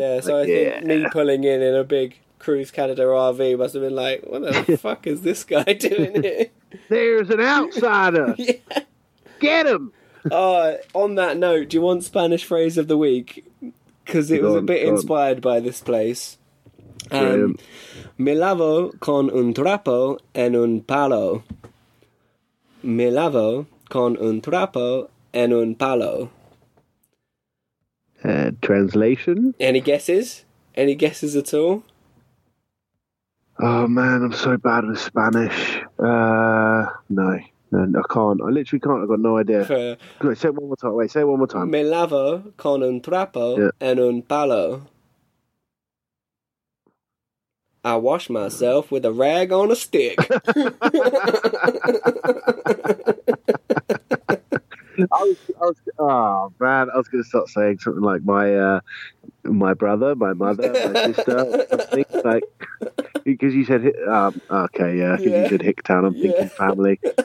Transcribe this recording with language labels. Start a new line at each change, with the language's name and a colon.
English: Yeah, so I think me pulling in a big Cruise Canada RV must have been what the fuck is this guy doing here? There's an outsider! Get him! On that note, do you want Spanish phrase of the week? Because it was a bit inspired by this place.
Spanish: Me lavo con un trapo en un palo. Me lavo con un trapo en un palo.
English: Translation? Any guesses? Any guesses at all? Oh, man, I'm so bad at Spanish. No, I can't. I literally can't. I've got no idea. Say it one more time.
Spanish: Me lavo con un trapo en un palo.
English: I wash myself with a rag on a stick. I was going to start saying something like my brother, my mother, my sister, something like, because you said, you said hick town, I'm thinking family.